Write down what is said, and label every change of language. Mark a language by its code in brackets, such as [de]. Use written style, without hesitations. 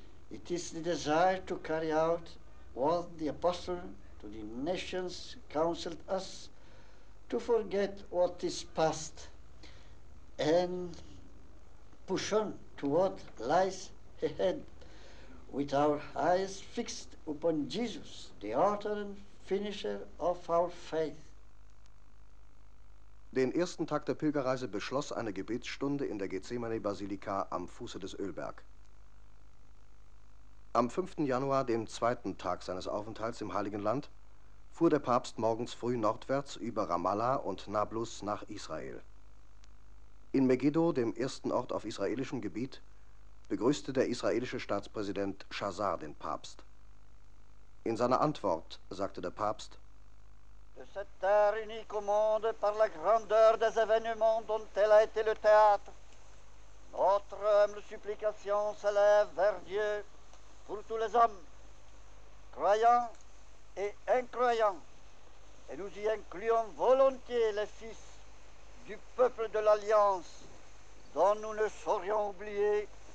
[en] It is the desire to carry out what the Apostle to the nations counseled us, to forget what is past and push on to what lies ahead, with our eyes fixed upon Jesus, the author and finisher of our faith. [de] Den ersten Tag der Pilgerreise beschloss eine Gebetsstunde in der Gethsemane-Basilika am Fuße des Ölberg. Am 5. Januar, dem zweiten Tag seines Aufenthalts im Heiligen Land, fuhr der Papst morgens früh nordwärts über Ramallah und Nablus nach Israel. In Megiddo, dem ersten Ort auf israelischem Gebiet, begrüßte der israelische Staatspräsident Shazar den Papst. In seiner Antwort sagte der Papst: [fr] De cette terre unique au monde par la grandeur des événements dont elle a été le théâtre, notre humble supplication s'élève vers Dieu pour tous les hommes, croyants et incroyants, et nous y incluons volontiers les fils du peuple de l'Alliance, dont nous ne saurions oublier